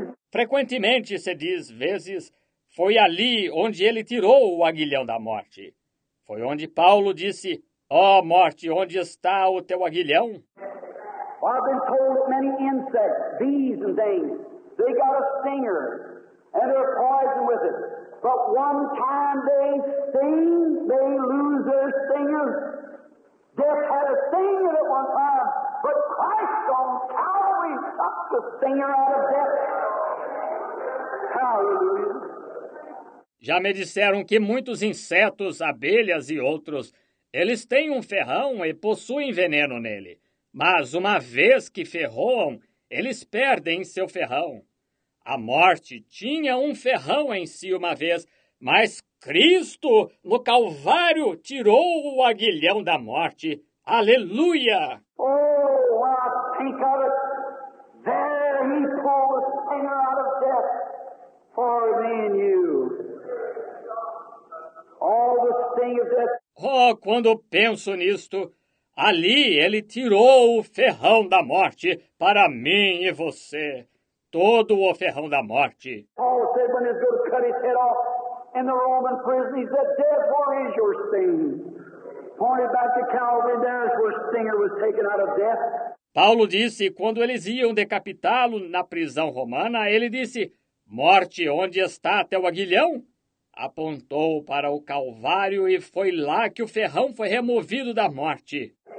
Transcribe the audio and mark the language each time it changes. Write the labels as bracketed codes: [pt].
[pt] Frequentemente, se diz, vezes, foi ali onde ele tirou o aguilhão da morte. Foi onde Paulo disse, ó, morte, onde está o teu aguilhão? [en] I've been told that many insects, bees and things, they got a stinger and they're poison with it. But one time they sting, they lose their stinger. Death had a stinger at one time, but Christ on Calvary sucked the stinger out of death. Hallelujah. [pt] Já me disseram que muitos insetos, abelhas e outros, eles têm um ferrão e possuem veneno nele, mas uma vez que ferroam, eles perdem seu ferrão. A morte tinha um ferrão em si uma vez, mas Cristo, no Calvário, tirou o aguilhão da morte. Aleluia! [en] Oh, when I think of it, there he pulled the finger out of death for me and you. All the sting of death. [pt] Oh, quando penso nisto, ali ele tirou o ferrão da morte para mim e você. Todo o ferrão da morte. [en] Paul said when he's going to cut his head off in the Roman prison, he said, therefore is your sting. Pointed back to Calvary, there's where stinger was taken out of death. [pt] Paulo disse, quando eles iam decapitá-lo na prisão romana, ele disse, morte, onde está teu aguilhão? Apontou para o Calvário e foi lá que o ferrão foi removido da morte.